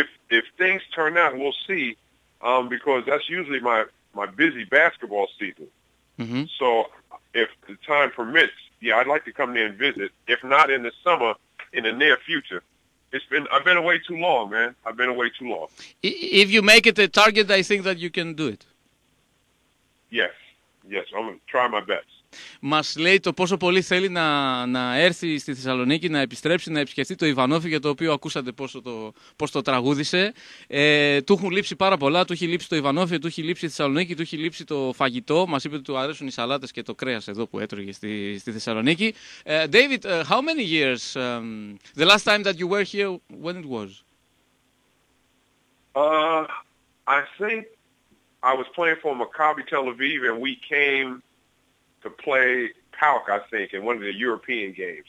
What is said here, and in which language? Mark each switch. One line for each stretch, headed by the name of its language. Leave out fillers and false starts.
English: If things turn out, we'll see, because that's usually my busy basketball season. Mm-hmm. So if the time permits, yeah, I'd like to come there and visit. If not in the summer, in the near future. I've been away too long, man. I've been away too long. If you make it a target, I think that you can do it. Yes. Yes, I'm going to try my best.
Greek: Μας λέει το πόσο πολύ θέλει να έρθει στη Θεσσαλονίκη, να επιστρέψει, να επισκεφτεί το Ιβανόφι, για το οποίο ακούσατε πώς το τραγούδησε. Του έχουν λείψει πάρα πολλά, του έχει λείψει το Ιβανόφι, του έχει λείψει η Θεσσαλονίκη, του έχει λείψει το φαγητό. Μας είπε ότι του αρέσουν οι σαλάτες και το κρέας εδώ που έτρωγε στη Θεσσαλονίκη.
English: David, how many years, the last time that you were here, when it was? I think I was playing for Maccabi Tel Aviv, and we came to play PAOK, I think, in one of the European games.